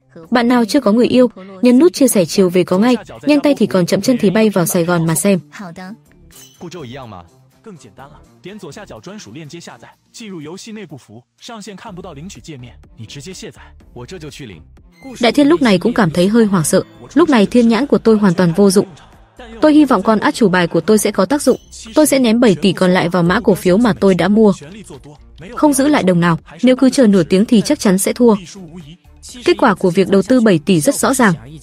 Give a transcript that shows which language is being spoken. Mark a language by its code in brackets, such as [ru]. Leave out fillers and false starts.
[vi] Bạn nào chưa có người yêu, nhấn nút chia sẻ chiều về có ngay. Nhanh tay thì còn chậm chân thì bay vào Sài Gòn mà xem. [zh] 步骤一样嘛，更简单了。点左下角专属链接下载，进入游戏内部服务，上线看不到领取界面，你直接卸载，我这就去领。 [vi] Đại Thiên lúc này cũng cảm thấy hơi hoảng sợ. Lúc này thiên nhãn của tôi hoàn toàn vô dụng. Tôi hy vọng con át chủ bài của tôi sẽ có tác dụng. Tôi sẽ ném 7 tỷ còn lại vào mã cổ phiếu mà tôi đã mua, không giữ lại đồng nào. Nếu cứ chờ nửa tiếng thì chắc chắn sẽ thua. Kết quả của việc đầu tư 7 tỷ rất rõ ràng.